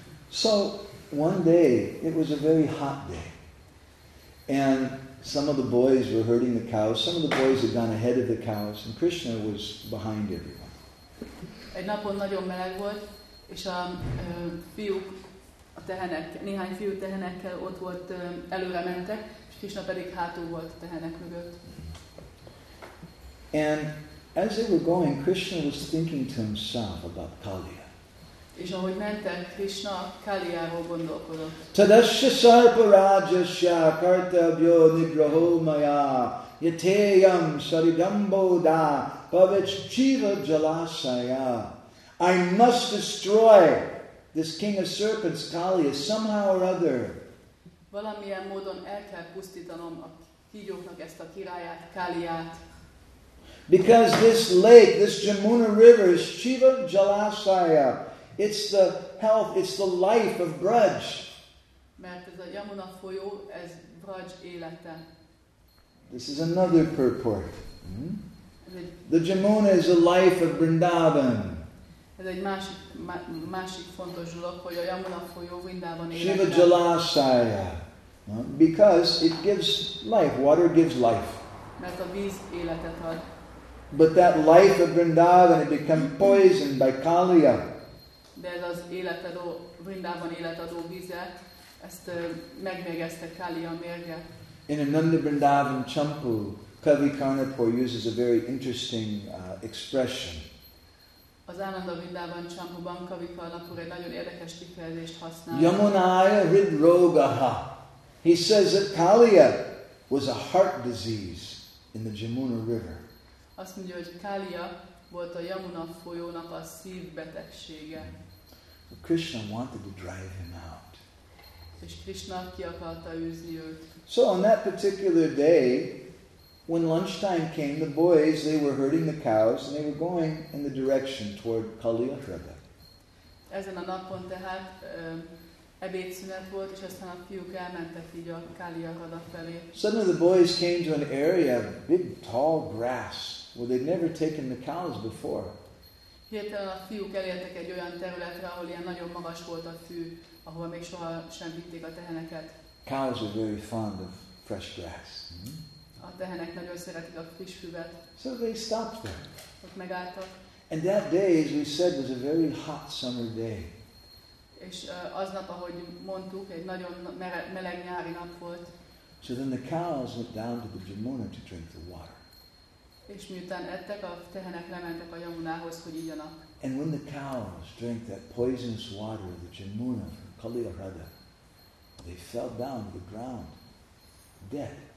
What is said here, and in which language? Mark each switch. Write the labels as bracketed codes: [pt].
[en] So, one day, it was a very hot day. And some of the boys were herding the cows. Some of the boys had gone ahead of the cows, and Krishna was behind everyone. [hu] Egy napon nagyon meleg volt, és a fiúk, a tehenek, néhány fiú tehenekkel ott volt, előre mentek, és Krishna pedig hátul volt a tehenek mögött. [en] And as they were going, Krishna was thinking to himself about Kaliya. [hu] És ahogy mentek, Krishna Kaliyáról gondolkodott. [sa] Tadasya sarpa rajasya kartavyo nigraho maya yateyam saridambodha pavich chiva jalasaya. [en] I must destroy this king of serpents, Kaliya, somehow or other. [hu] Valamilyen módon el kell pusztítanom a kígyóknak ezt a királyát, Kaliyát. [en] Because this lake, this Jamuna River, is Shiva Jalasaya. It's the health, it's the life of Braj. [hu] Mert ez a Jamuna folyó, ez Braj élete. [en] This is another purport. The Jamuna is the life of Vrindavan. [hu] Ez egy másik fontos dolog, hogy a Jamuna folyó Vrindavan élete. [sa] Shiva Jalasaya. [en] Because it gives life, water gives life. [hu] Mert a víz életet ad. [en] But that life of Vrindavan had become poisoned by Kaliya. [hu] De ez az életadó, Vrindavan életadó vize, ezt megmérgezte Kaliya mérge. [en] In Ananda Vrindavan Champu, Kavi Karnapur uses a very interesting expression. [hu] Az Ananda Vrindavan Champuban Kavi Karnapur egy nagyon érdekes kifejezést használ. [sa] Yamunaya Hridrogaha. [en] He says that Kaliya was a heart disease in the Jamuna River. [hu] Azt mondja, hogy Kaliya volt a Yamuna folyónak a szívbetegsége. [en] So Krishna wanted to drive him out. [hu] És Krishna ki akarta űzni őt. [en] So on that particular day, When lunchtime came, the boys, they were herding the cows, and they were going in the direction toward Kaliutrada. [hu] Ezen a napon tehát ebédszünet volt, és aztán a fiúk elmentek így a Kaliutrada felé. [en] Suddenly the boys came to an area of big, tall grass, where they'd never taken the cows before. [hu] Hirtelen a fiúk elértek egy olyan területre, ahol ilyen nagyon magas volt a fű, ahol még soha sem vitték a teheneket. [en] Cows are very fond of fresh grass. [hu] A tehenek nagyon szeretik a friss füvet. [en] So they stopped there. [hu] Ott megálltak. [en] And that day, as we said, was a very hot summer day. [hu] És aznap, ahogy mondtuk, egy nagyon meleg nyári nap volt. [en] So then the cows went down to the Jamuna to drink the water. [hu] És miután ettek, a tehenek lementek a Jamunához, hogy igyanak. [en] And when the cows drank that poisonous water, the Jamuna, Kaliutrada, they fell down to the ground, dead.